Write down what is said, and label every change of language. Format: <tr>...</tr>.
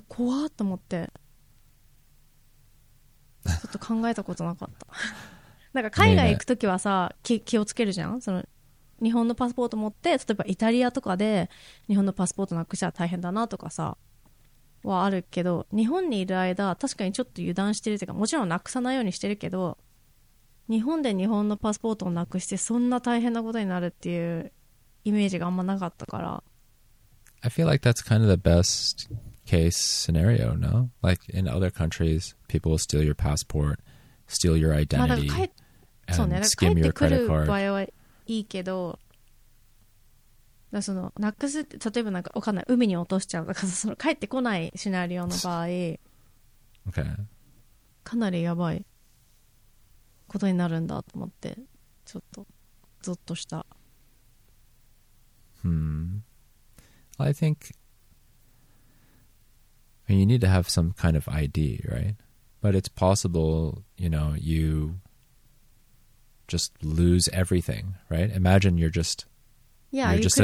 <ja>で怖っと思ってちょっと考えたことなかったなんか海外行くときはさ、気をつけるじゃん、その日本のパスポート持って、例えばイタリアとかで日本のパスポートなくしたら大変だなとかさはあるけど、日本にいる間確かにちょっと油断してるというか、もちろんなくさないようにしてるけど、日本で日本のパスポートをなくしてそんな大変なことになるっていうイメージがあんまなかったから。</ja> <en>I feel like that's kind of the best case scenario, no? Like in other countries, people will steal your passport, steal your identity, and skim your credit card.</en> <ja>帰ってくる場合はいいけど、だそのなくす、例えばなんか分かんない、海に落としちゃうとか、その帰ってこないシナリオの場合、</ja> <en>okay.</en> <ja>かなりやばいことになるんだと思って、ちょっとゾッとした。</ja> <en>I think you need to have some kind of ID, right? But it's possible, you know, you just lose everything, right? Imagine you're just yeah, you're just you</en>